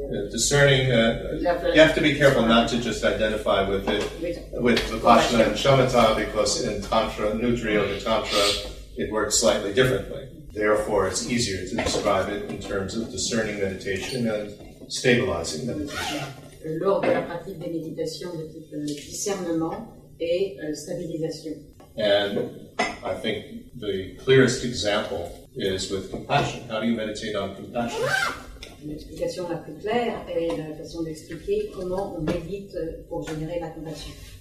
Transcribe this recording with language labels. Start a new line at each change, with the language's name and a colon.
English: Discerning, you have to be careful not to just identify with it, with Vipassana and Shamatha, because in Tantra, Nudri or the Tantra, it works slightly differently. Therefore, it's easier to describe it in terms of discerning meditation and stabilizing meditation.
French: Lors de la pratique des méditations de type discernement et stabilisation.
English: And I think the clearest example is with compassion. How do you meditate on compassion?
French: L'explication la plus claire est la façon d'expliquer comment on médite pour générer la compassion.